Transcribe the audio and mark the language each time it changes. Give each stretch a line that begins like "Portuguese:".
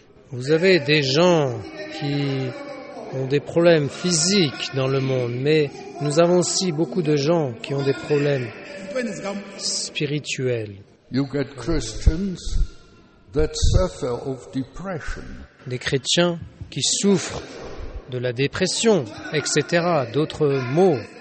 French: Vous avez des gens qui ont des problèmes physiques dans le monde, mais nous avons aussi beaucoup de gens qui ont des problèmes spirituels.
English: You get Christians that suffer of depression.
French: Des chrétiens qui souffrent de la dépression, etc., d'autres maux.